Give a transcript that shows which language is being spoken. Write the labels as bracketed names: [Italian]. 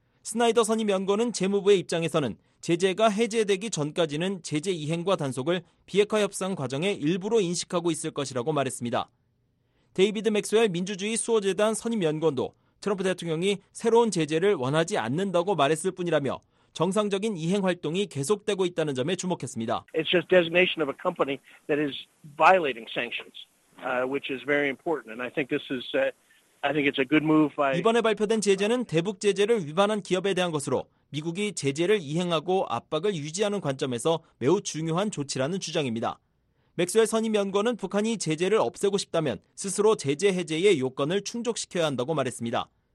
[Korean] 스나이더 선임 연구원은 재무부의 입장에서는 제재가 해제되기 전까지는 제재 이행과 단속을 비핵화 협상 과정의 일부로 인식하고 있을 것이라고 말했습니다. 데이비드 맥스웰 민주주의 수호재단 선임 연구원도 트럼프 대통령이 새로운 제재를 원하지 않는다고 말했을 뿐이라며 정상적인 이행 활동이 계속되고 있다는 점에 주목했습니다. [English] It's just designation of a company that is violating sanctions, which is very important. And I think this is, I think it's a good move by. [Korean] 이번에 발표된 제재는 대북 제재를 위반한 기업에 대한 것으로 미국이 제재를 이행하고 압박을 유지하는 관점에서 매우 중요한 조치라는 주장입니다. 맥스웰 선임 연구원은 북한이 제재를 없애고 싶다면 스스로 제재 해제의 요건을 충족시켜야 한다고 말했습니다.